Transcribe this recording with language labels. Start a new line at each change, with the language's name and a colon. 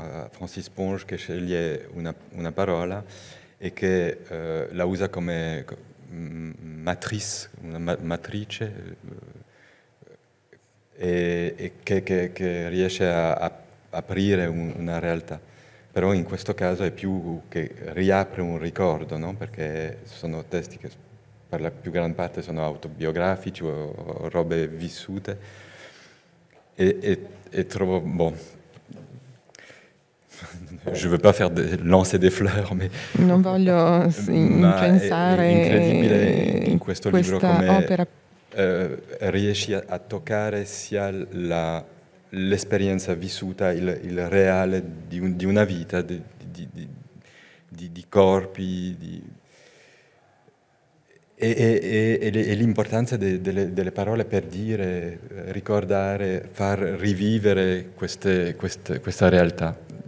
Italian: A Francis Ponge, che sceglie una parola e che la usa come matrice e che riesce a aprire una realtà. Però in questo caso è più che riapre un ricordo, no? Perché sono testi che per la più gran parte sono autobiografici o robe vissute. E trovo,
French: bon, je veux pas faire de, lancer des fleurs, mais,
Italian: non voglio incensare, ma è incredibile in questo libro come riesci a toccare sia l'esperienza vissuta, il reale di una vita, di corpi, e l'importanza delle parole per dire, ricordare, far rivivere questa realtà.